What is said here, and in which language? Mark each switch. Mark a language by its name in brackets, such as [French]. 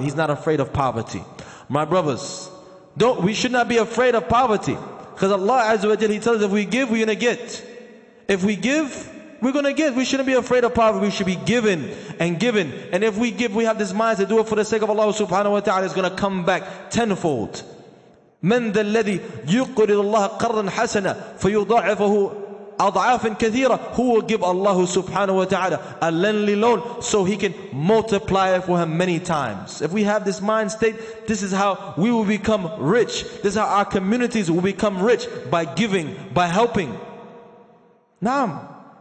[English] He's not afraid of poverty. My brothers, we should not be afraid of poverty. Because Allah azza wa jalla, he tells us, if we give, we're going to get. If we give, we're going to give. We shouldn't be afraid of poverty. We should be given and given. And if we give, we have this mind to do it for the sake of Allah subhanahu wa ta'ala. It's going to come back tenfold. [Arabic] من ذا الذي يقرض الله قرضا حسنا فيضاعفه أضعافا كثيرة. [English] Who will give Allah subhanahu wa ta'ala a lendly loan so he can multiply it for him many times? If we have this mind state, this is how we will become rich. This is how our communities will become rich, by giving, by helping. Naam.